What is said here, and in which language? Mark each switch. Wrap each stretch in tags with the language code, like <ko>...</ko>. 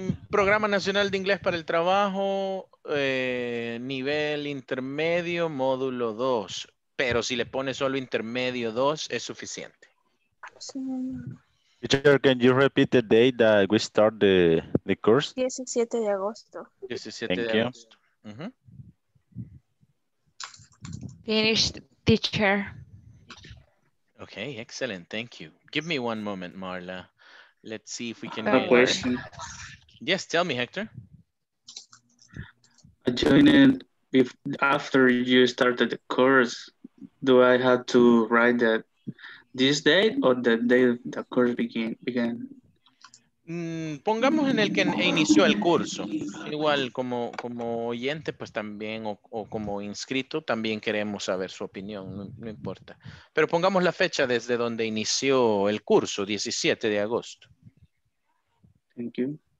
<es>Programa Nacional de Inglés para el Trabajo, nivel intermedio, módulo 2. Pero si le pone solo intermedio 2, es suficiente. Sí.</es> <en>Teacher, can you repeat the date that we start the course?</en> <es>17 de agosto. 17 Thank de you. Agosto.</es> <en>Finished, teacher. Okay, excellent. Thank you. Give me one moment, Marla. Let's see if we can. I have a question. Yes, tell me, Hector. I joined in after you started the course. Do I have to write that this date or the day the course began?</en> <es>Pongamos en el que inició el curso. Igual como oyente, pues también, o como inscrito, también queremos saber su opinión, no importa. Pero pongamos la fecha desde donde inició el curso, 17 de agosto.</es> <en>Thank you.</en>